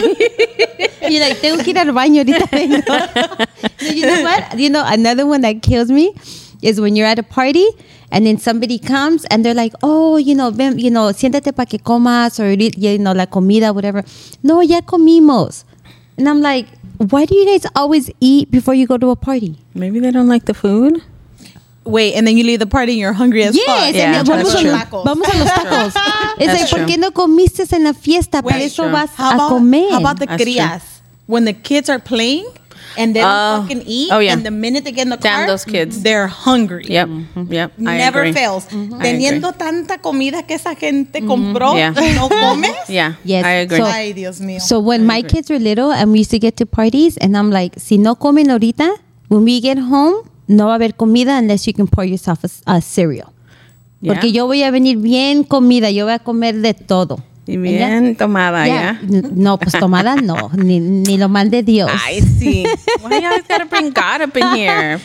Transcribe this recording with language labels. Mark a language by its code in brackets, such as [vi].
[en] You're like, [es] tengo que ir al baño ahorita. [en] No, you know what? You know, another one that kills me is when you're at a party and then somebody comes and they're like, oh, you know, [es] ven, [en] you know, [es] siéntate pa que comas, [en] or, you know, [es] la comida, [en] whatever. [es] No, ya comimos. [en] And I'm like, why do you guys always eat before you go to a party? Maybe they don't like the food. Wait, and then you leave the party and you're hungry as fuck. Yes, yeah, [es] vamos, vamos a los tacos. [en] It's like, [es] ¿por qué no comiste en la fiesta? Para eso vas a comer. [en] How about the crías? When the kids are playing, and they don't fucking eat. Oh, yeah. And the minute they get in the damn car, those kids, they're hungry. Yep. Mm-hmm. Yep. I never agree. Fails. Mm-hmm. [es] Teniendo tanta comida que esa gente compró, no comes. [en] Yeah. Yes. I agree. So, [es] ay, Dios mío. [en] So when my kids were little and we used to get to parties, and I'm like, [es] si no comen ahorita, [en] when we get home, [es] no va a haber comida [en] unless you can pour yourself a cereal. Yeah. [es] Porque yo voy a venir bien comida. Yo voy a comer de todo. Y bien ya, tomada, ¿ya? No, pues tomada no, ni lo mal de Dios. Ay, sí. [en] Why do you gotta bring God up in here?